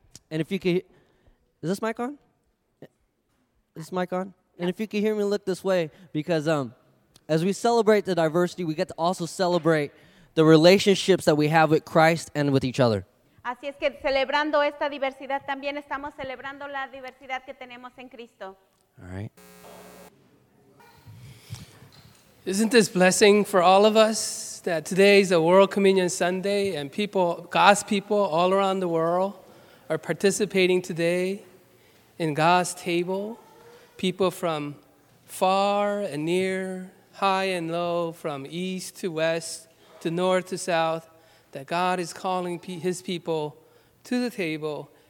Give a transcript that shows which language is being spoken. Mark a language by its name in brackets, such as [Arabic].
[English] And if you could, is this mic on? Yeah. And if you could hear me, look this way, because as we celebrate the diversity, we get to also celebrate the relationships that we have with Christ and with each other. [Spanish] Así es que celebrando esta diversidad también estamos celebrando la diversidad que tenemos en Cristo. [English] All right. Isn't this blessing for all of us that today is a World Communion Sunday and people, God's people all around the world are participating today in God's table? People from far and near, high and low, from east to west, to north to south, that God is calling his people to the table.